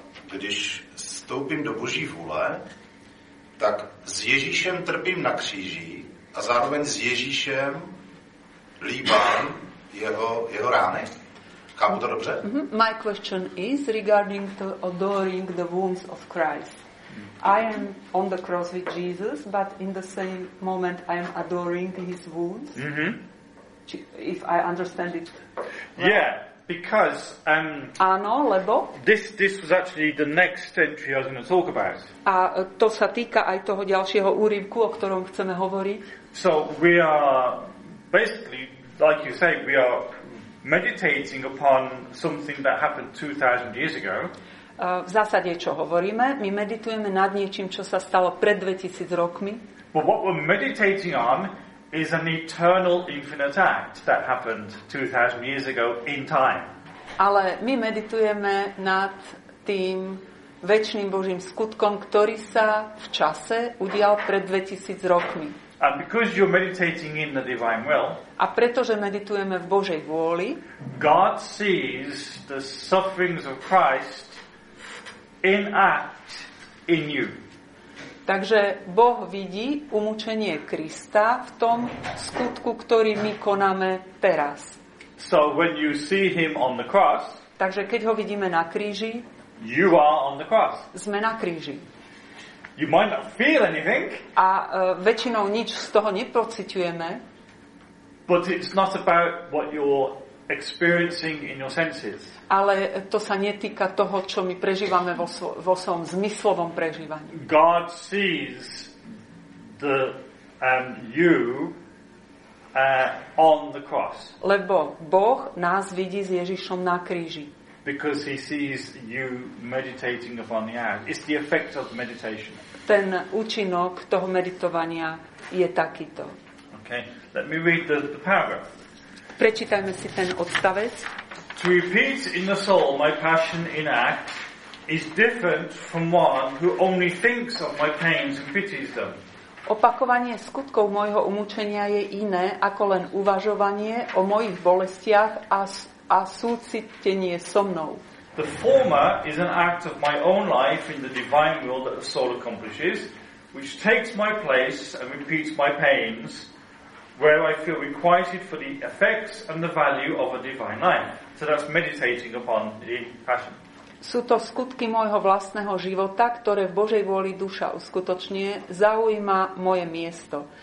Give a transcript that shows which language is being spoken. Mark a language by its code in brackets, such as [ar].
[cs] Když vstoupím do Boží vůle, tak s Ježíšem trpím na kříži a zároveň s Ježíšem líbám jeho rány. Chápu to dobře? Mm-hmm. [en] My question is regarding to adoring the wounds of Christ. I am on the cross with Jesus, but in the same moment I am adoring his wounds. Mm-hmm. If I understand it well. Yeah, because [sk] Áno, lebo [en] this was actually the next entry I was going to talk about. [sk] A to sa týka aj toho ďalšieho úryvku, o ktorom chceme hovoriť. [en] So we are basically, like you say, we are meditating upon something that happened 2000 years ago. [sk] V zásade, čo hovoríme, my meditujeme nad niečím, čo sa stalo pred 2000 rokmi. [en] But what we're meditating on is an eternal infinite act that happened 2000 years ago in time. [sk] Ale my meditujeme nad tým večným Božím skutkom, ktorý sa v čase udial pred 2000 rokmi. [en] And because you're meditating in the divine will, [sk] a pretože meditujeme v Božej vôli, [en] God sees the sufferings of Christ in act in you. [sk] Takže Boh vidí umučenie Krista v tom skutku, ktorý my konáme teraz. [en] So when you see him on the cross, [sk] takže keď ho vidíme na kríži, [en] you are on the cross. [sk] Sme na kríži. [en] You might not feel anything, [sk] a väčšinou nič z toho nepociťujeme, [en] but it's not about what you're experiencing in your senses. [sk] Ale to sa netýka toho, čo my prežívame vo svojom zmyslovom prežívaní. [en] God sees the you on the cross. [sk] Lebo Boh nás vidí s Ježišom na kríži. [en] Because he sees you meditating upon the act. It's the effect of meditation. [sk] Ten účinok toho meditovania je takýto. [en] Okay. Let me read the paragraph. [sk] Prečítajme si ten odstavec. [en] To repeat in the soul my passion in act is different from one who only thinks of my pains and pities them. [sk] Opakovanie skutkov môjho umučenia je iné ako len uvažovanie o mojich bolestiach a súcitenie so mnou. [en] The former is an act of my own life in the divine will that the soul accomplishes, which takes my place and repeats my pains, where I feel requited for the effects and the value of a divine life. So that's meditating upon the passion. [sk] Sú to skutky môjho vlastného života, ktoré v Božej vôli duša uskutočňuje, zaujíma moje miesto.